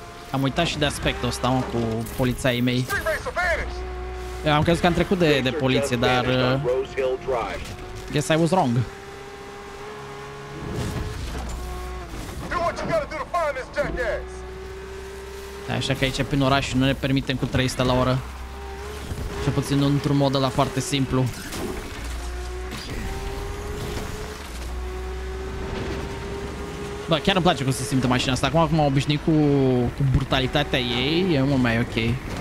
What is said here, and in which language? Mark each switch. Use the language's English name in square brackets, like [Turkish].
[Romanian] Am uitat și de aspectul ăsta, mă, cu polițaii mei. Eu am crezut că am trecut de poliție, dar... [English] Guess I was wrong. Do what you gotta do to find this jackass. [Romanian] Așa că aici prin oraș nu ne permitem cu 300 la oră. Cel puțin într-un mod ăla foarte simplu. Bă, chiar îmi place cum se simte mașina asta. Acum m-am obișnuit cu brutalitatea ei, e mult mai ok.